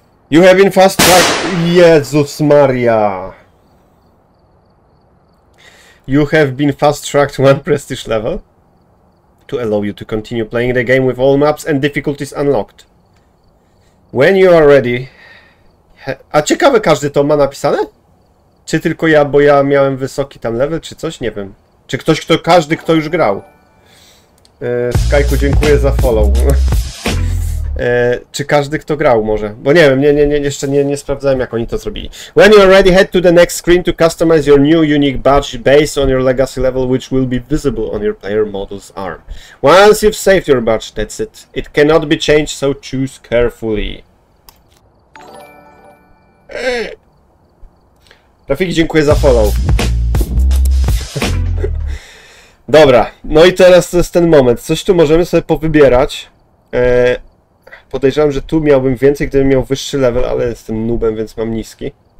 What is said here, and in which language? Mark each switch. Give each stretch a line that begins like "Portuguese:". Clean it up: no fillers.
English: You have been fast tracked.
Polish: Jezus Maria!
English: You have been fast tracked one prestige level to allow you to continue playing the game with all maps and difficulties unlocked. When you are ready.
Polish: A ciekawe, każdy to ma napisane? Czy tylko ja, bo ja miałem wysoki tam level, czy coś? Nie wiem. Czy ktoś, kto, każdy, kto już grał? Skajku, dziękuję za follow. Czy każdy, kto grał może? Bo nie wiem, jeszcze nie sprawdzałem, jak oni to zrobili.
English: When you are ready, head to the next screen to customize your new unique badge based on your legacy level, which will be visible on your player model's arm. Once you've saved your badge, that's it. It cannot be changed, so choose carefully.
Polish: Rafiki, dziękuję za follow. Dobra, no i teraz to jest ten moment. Coś tu możemy sobie powybierać. Podejrzewam, że tu miałbym więcej, gdybym miał wyższy level, ale jestem noobem, więc mam niski.